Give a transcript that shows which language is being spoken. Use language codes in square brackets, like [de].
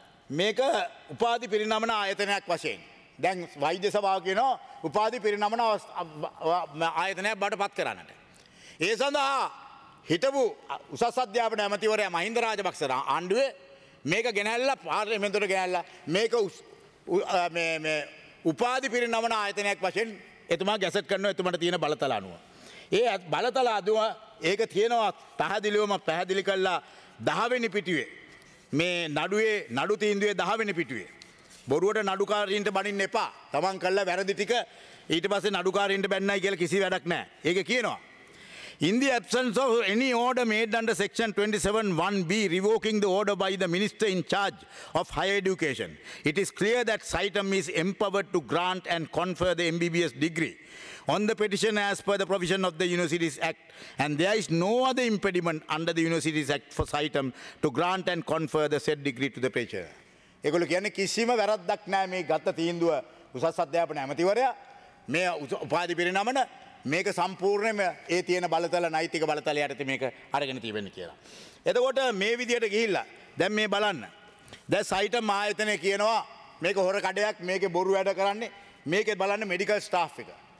[si] මේක උපාධි පිරිනමන ආයතනයක් වශයෙන් දැන් වෛද්‍ය සභාව කියනවා උපාධි පිරිනමන ආයතනයක් බවට පත් කරන්නට ඒ සඳහා හිටපු උසස් අධ්‍යාපන ඇමතිවරයා මහින්ද රාජපක්ෂ ආණ්ඩුවේ මේක ගෙනල්ලා පාර්ලිමේන්තුවට ගෙනල්ලා මේක මේ මේ උපාධි පිරිනමන ආයතනයක් වශයෙන් එතුමා ගැසට් කරනවා එතුමාට තියෙන බලතල අනුව. ඒ බලතල අදුව ඒක තියෙනවා පැහැදිලිවම පැහැදිලි කරලා 10 වෙනි පිටුවේ මේ නඩුවේ නඩු තීන්දුවේ 10 වෙනි පිටුවේ බොරුවට නඩුකාරින්ට බණින්න එපා. තමන් කළ වැරදි ටික ඊට පස්සේ නඩුකාරින්ට බැන්නයි කියලා කිසි වැඩක් නැහැ. ඒක කියනවා [en] In the absence of any order made under Section 27(1)(b) revoking the order by the Minister in charge of higher education, it is clear that Saitam is empowered to grant and confer the MBBS degree on the petition as per the provision of the Universities Act, and there is no other impediment under the Universities Act for Saitam to grant and confer the said degree to the petitioner. [si] ඒගොල්ලෝ කියන්නේ කිසිම වැරද්දක් නැහැ මේ ගත තීන්දුව උසස් අධ්‍යාපන ඇමතිවරයා මේ උපාධි පිරිනමන මේක සම්පූර්ණයෙන්ම ඒ තියෙන බලතල නෛතික බලතල යටතේ මේක අරගෙන තියෙන්නේ කියලා. එතකොට මේ විදියට ගිහිල්ලා දැන් මේ බලන්න. දැන් සයිටම් ආයතනය කියනවා මේක හොර කඩයක් මේකේ බොරු වැඩ කරන්නේ මේකේ බලන්න මෙඩිකල් ස්ටාෆ් එක.